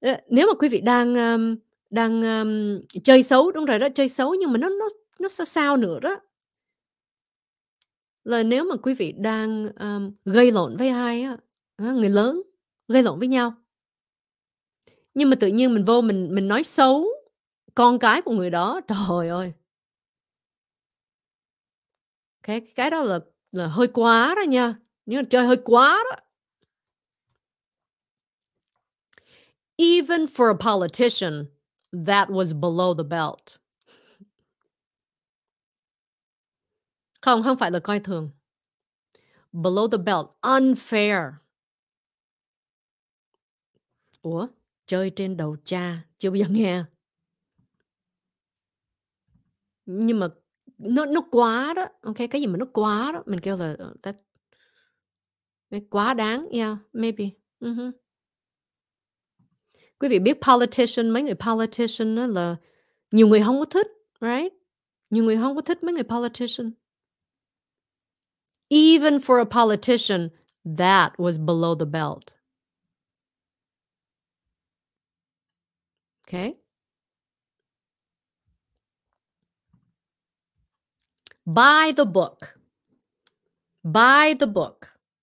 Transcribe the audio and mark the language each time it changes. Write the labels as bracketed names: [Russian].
[Vietnamese] Nếu mà quý vị đang đang chơi xấu, đúng rồi đó, chơi xấu, nhưng mà nó sao sao nữa đó, là nếu mà quý vị đang gây lộn với ai á, người lớn gây lộn với nhau, nhưng mà tự nhiên mình vô mình nói xấu con cái của người đó, trời ơi, cái đó là hơi quá đó nha, nhưng mà chơi hơi quá đó. [English] Even for a politician, that was below the belt. [Vietnamese] Không, không phải là coi thường. [English] Below the belt, unfair. [Vietnamese] Ủa, chơi trên đầu cha, chưa bao giờ nghe. Nhưng mà nó quá đó, ok, cái gì mà nó quá đó, mình kêu là that, quá đáng, yeah, maybe. Mm-hmm. Quý vị biết politician, mấy người politician đó là nhiều người không có thích, right? Nhiều người không có thích mấy người politician. [English] Even for a politician, that was below the belt. Okay. Buy the book. Buy the book.